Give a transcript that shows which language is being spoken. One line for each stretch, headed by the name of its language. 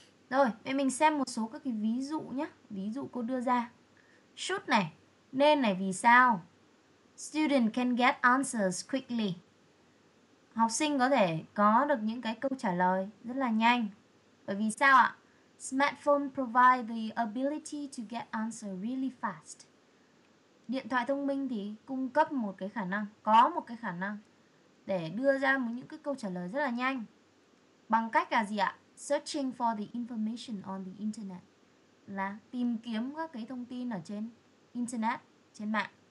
Vietnamese: Rồi, vậy mình xem một số các cái ví dụ nhé. Ví dụ cô đưa ra. Should này, nên này, vì sao?
English: Student can get answers quickly.
Vietnamese: Học sinh có thể có được những cái câu trả lời rất là nhanh. Bởi vì sao ạ?
English: Smartphone provide the ability to get answers really fast.
Vietnamese: Điện thoại thông minh thì cung cấp một cái khả năng, có một cái khả năng để đưa ra một những cái câu trả lời rất là nhanh. Bằng cách là gì ạ?
English: Searching for the information on the internet.
Vietnamese: Là tìm kiếm các cái thông tin ở trên internet, trên mạng.